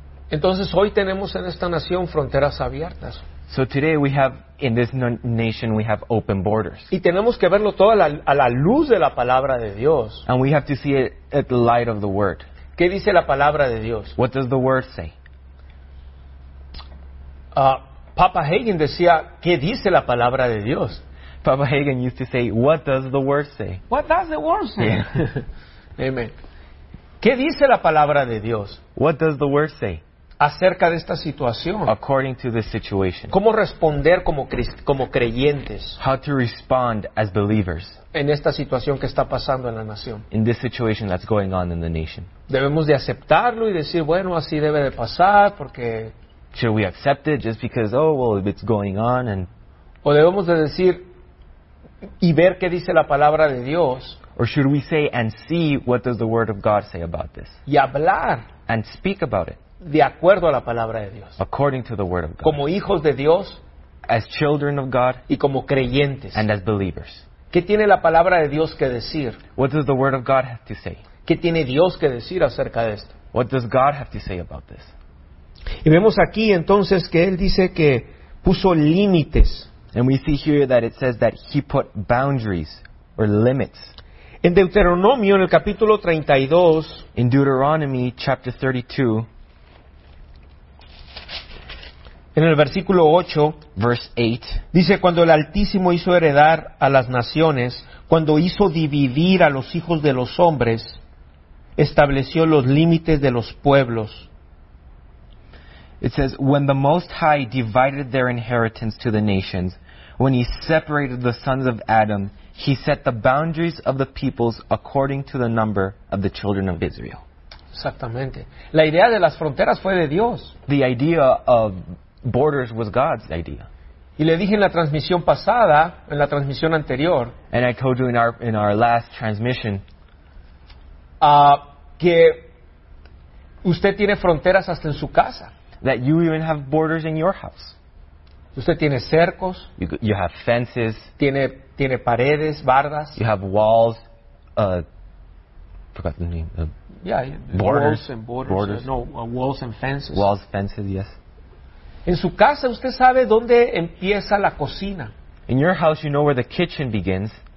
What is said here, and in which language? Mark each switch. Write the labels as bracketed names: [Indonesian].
[Spanish] Entonces hoy tenemos en esta nación fronteras abiertas. [English] So today we have in this nation we have open borders. [Spanish] Y tenemos que verlo todo a la luz de la palabra de Dios. [English] And we have to see it at the light of the word. [Spanish] ¿Qué dice la palabra de Dios? [English] What does the word say? [Spanish] Papa Hagen decía, ¿qué dice la palabra de Dios? [English] Papa Hagen used to say, what does the word say? What does the word say? Yeah. [Spanish] Amen. ¿Qué dice la palabra de Dios? [English] What does the word say? [Spanish] Acerca de esta situación. [English] According to this situation. [Spanish] ¿Cómo responder como creyentes? [English] How to respond as believers. [Spanish] En esta situación que está pasando en la nación. [English] In this situation that's going on in the nation. [Spanish] Debemos de aceptarlo y decir, bueno, así debe de pasar porque... [English] Should we accept it just because, oh, well, if it's going on and... [Spanish] O debemos de decir... Y ver qué dice la palabra de Dios. [English] Or should we say and see what does the word of God say about this? [Spanish] Y hablar. [English] And speak about it. [Spanish] De acuerdo a la palabra de Dios. [English] According to the word of God. [Spanish] Como hijos de Dios. [English] As children of God. [Spanish] Y como creyentes. [English] And as believers. [Spanish] ¿Qué tiene la palabra de Dios que decir? [English] What does the word of God have to say? [Spanish] ¿Qué tiene Dios que decir acerca de esto? [English] What does God have to say about this? [Spanish] Y vemos aquí entonces que él dice que puso límites. [English] And we see here that it says that he put boundaries or limits. [Spanish] En Deuteronomio, en el capítulo 32. [English] In Deuteronomy, chapter 32. [Spanish] En el versículo 8. [English] Verse 8. [Spanish] Dice, cuando el Altísimo hizo heredar a las naciones, cuando hizo dividir a los hijos de los hombres, estableció los límites de los pueblos. [English] It says, when the Most High divided their inheritance to the nations, when he separated the sons of Adam, he set the boundaries of the peoples according to the number of the children of Israel. [Spanish] Exactamente. La idea de las fronteras fue de Dios. [English] The idea of borders was God's idea. [Spanish] Y le dije en la transmisión pasada, en la transmisión anterior, [English] and I told you in our last transmission, [Spanish] que usted tiene fronteras hasta en su casa. [English] That you even have borders in your house. [Spanish] Usted tiene cercos. [English] You have fences. [Spanish] Tiene paredes, bardas. [English] You have walls. Forgot the name. Borders. Walls and fences. Walls, fences, yes. [Spanish] En su casa usted sabe dónde empieza la cocina. [English] In your house you know where the kitchen begins.